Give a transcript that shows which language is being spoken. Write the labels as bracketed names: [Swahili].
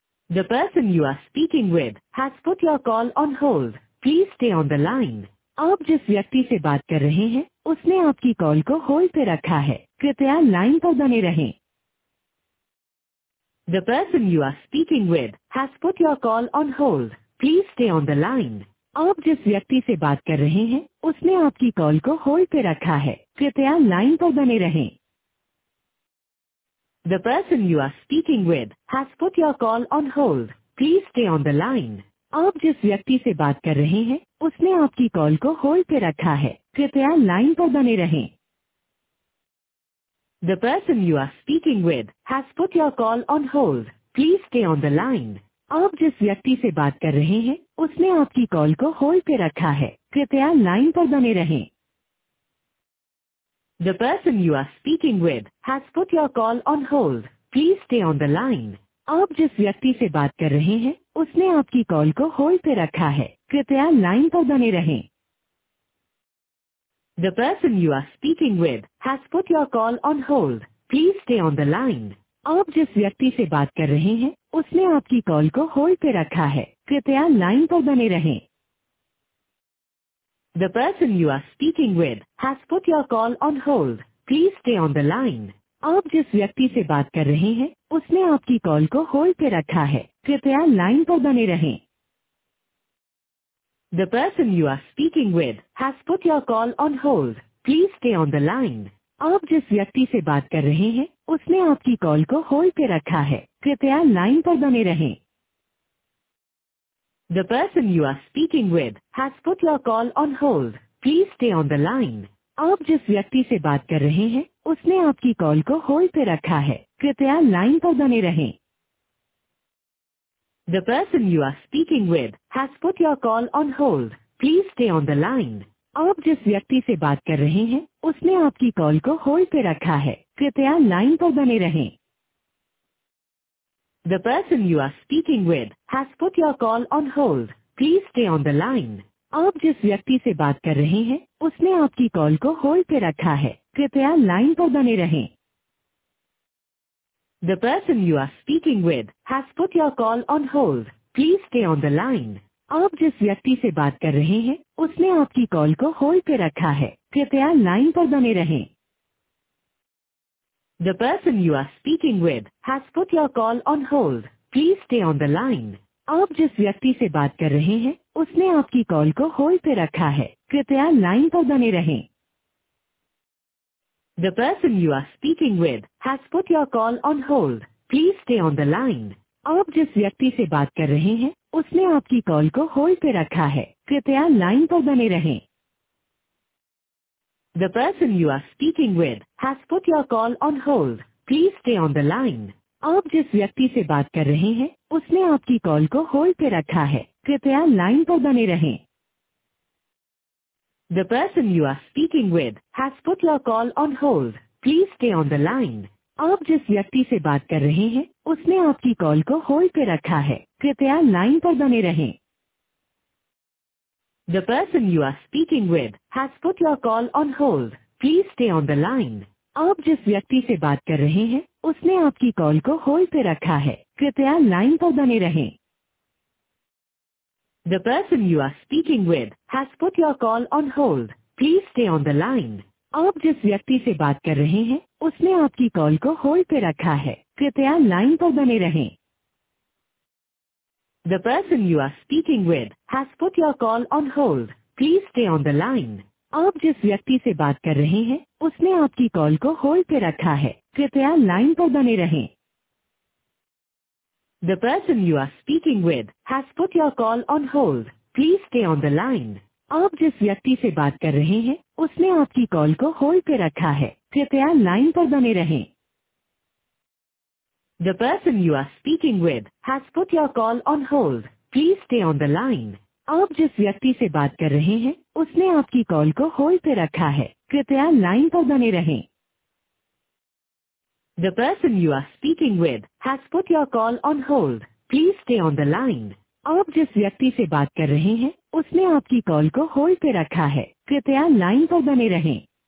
[English] The person you are speaking with has put your call on hold. Please stay on the line. [Hindi] आप जिस व्यक्ति से बात कर रहे हैं उसने आपकी कॉल को होल्ड पे रखा है, कृपया लाइन पर बने रहें। [English] The person you are speaking with has put your call on hold. Please stay on the line. [Hindi] आप जिस व्यक्ति से बात कर रहे हैं उसने आपकी कॉल को होल्ड पे रखा है, कृपया लाइन पर बने रहें। [English] The person you are speaking with has put your call on hold. Please stay on the line. [Hindi] आप जिस व्यक्ति से बात कर रहे हैं उसने आपकी कॉल को होल्ड पे रखा है, कृपया लाइन पर बने रहें। [English] The person you are speaking with has put your call on hold. Please stay on the line. [Hindi] आप जिस व्यक्ति से बात कर रहे हैं उसने आपकी कॉल को होल्ड पे रखा है, कृपया लाइन पर बने रहें। [English] The person you are speaking with has put your call on hold. Please stay on the line. [Hindi] आप जिस व्यक्ति से बात कर रहे हैं उसने आपकी कॉल को होल्ड पे रखा है, कृपया लाइन पर बने रहें। [English] The person you are speaking with has put your call on hold. Please stay on the line. [Hindi] आप जिस व्यक्ति से बात कर रहे हैं उसने आपकी कॉल को होल्ड पे रखा है, कृपया लाइन पर बने रहें। [English] The person you are speaking with has put your call on hold. Please stay on the line. [Hindi] आप जिस व्यक्ति से बात कर रहे हैं उसने आपकी कॉल को होल्ड पे रखा है, कृपया लाइन पर बने रहें। [English] The person you are speaking with has put your call on hold. Please stay on the line. [Hindi] आप जिस व्यक्ति से बात कर रहे हैं उसने आपकी कॉल को होल्ड पे रखा है, कृपया लाइन पर बने रहें। [English] The person you are speaking with has put your call on hold. Please stay on the line. [Hindi] आप जिस व्यक्ति से बात कर रहे हैं उसने आपकी कॉल को होल्ड पे रखा है, कृपया लाइन पर बने रहें। [English] The person you are speaking with has put your call on hold. Please stay on the line. [Hindi] आप जिस व्यक्ति से बात कर रहे हैं उसने आपकी कॉल को होल्ड पे रखा है, कृपया लाइन पर बने रहें। [English] The person you are speaking with has put your call on hold. Please stay on the line. [Hindi] आप जिस व्यक्ति से बात कर रहे हैं उसने आपकी कॉल को होल्ड पे रखा है, कृपया लाइन पर बने रहें। [English] The person you are speaking with has put your call on hold. Please stay on the line. [Hindi] आप जिस व्यक्ति से बात कर रहे हैं उसने आपकी कॉल को होल्ड पे रखा है, कृपया लाइन पर बने रहें। [English] The person you are speaking with has put your call on hold. Please stay on the line. [Hindi] आप जिस व्यक्ति से बात कर रहे हैं उसने आपकी कॉल को होल्ड पे रखा है, कृपया लाइन पर बने रहें। [English] The person you are speaking with has put your call on hold. Please stay on the line. [Hindi] आप जिस व्यक्ति से बात कर रहे हैं उसने आपकी कॉल को होल्ड पे रखा है, कृपया लाइन पर बने रहें। [English] The person you are speaking with has put your call on hold. Please stay on the line. [Hindi] आप जिस व्यक्ति से बात कर रहे हैं उसने आपकी कॉल को होल्ड पे रखा है, कृपया लाइन पर बने रहें। [English] The person you are speaking with has put your call on hold. Please stay on the line. [Hindi] आप जिस व्यक्ति से बात कर रहे हैं उसने आपकी कॉल को होल्ड पे रखा है, कृपया लाइन पर बने रहें। [English] The person you are speaking with has put your call on hold. Please stay on the line. [Hindi] आप जिस व्यक्ति से बात कर रहे हैं उसने आपकी कॉल को होल्ड पे रखा है, कृपया लाइन पर बने रहें। [English] The person you are speaking with has put your call on hold. Please stay on the line. [Hindi] आप जिस व्यक्ति से बात कर रहे हैं उसने आपकी कॉल को होल्ड पे रखा है, कृपया लाइन पर बने रहें। [English] The person you are speaking with has put your call on hold. Please stay on the line. [Hindi] आप जिस व्यक्ति से बात कर रहे हैं उसने आपकी कॉल को होल्ड पे रखा है, कृपया लाइन पर बने रहें। [English] The person you are speaking with has put your call on hold. Please stay on the line. [Hindi] आप जिस व्यक्ति से बात कर रहे हैं उसने आपकी कॉल को होल्ड पे रखा है, कृपया लाइन पर बने रहें। [English] The person you are speaking with has put your call on hold. Please stay on the line. [Hindi] आप जिस व्यक्ति से बात कर रहे हैं उसने आपकी कॉल को होल्ड पे रखा है, कृपया लाइन पर बने रहें। [English] The person you are speaking with has put your call on hold. Please stay on the line. [Hindi] आप जिस व्यक्ति से बात कर रहे हैं उसने आपकी कॉल को होल्ड पे रखा है, कृपया लाइन पर बने रहें।